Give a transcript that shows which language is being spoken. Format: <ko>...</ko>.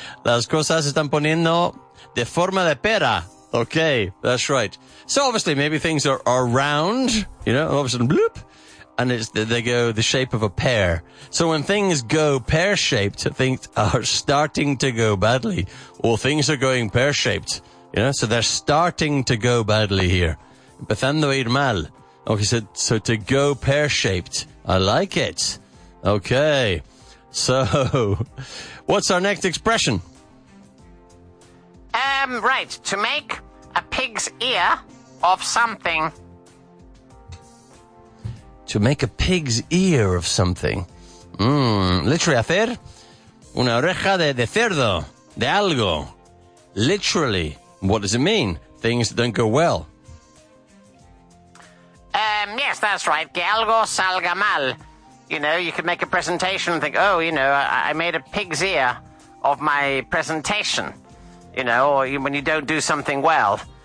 <es>Las cosas están poniendo de forma de pera.</es> <en>Okay, that's right. So obviously, maybe things are round, you know, all of a sudden, bloop, and it's they go the shape of a pear. So when things go pear-shaped, things are starting to go badly. Well, things are going pear-shaped, you know, so they're starting to go badly here.</en> <es>Empezando a ir mal.</es> <en>Okay, so to go pear-shaped. I like it. Okay. So, what's our next expression? Right, to make a pig's ear of something. To make a pig's ear of something. Literally,</en> <es>hacer una oreja de cerdo, de algo.</es> <en>Literally, what does it mean? Things don't go well. Yes, that's right.</en> <es>Que algo salga mal.</es> <en>You know, you could make a presentation and think, oh, you know, I made a pig's ear of my presentation, you know, or when you don't do something well.</en>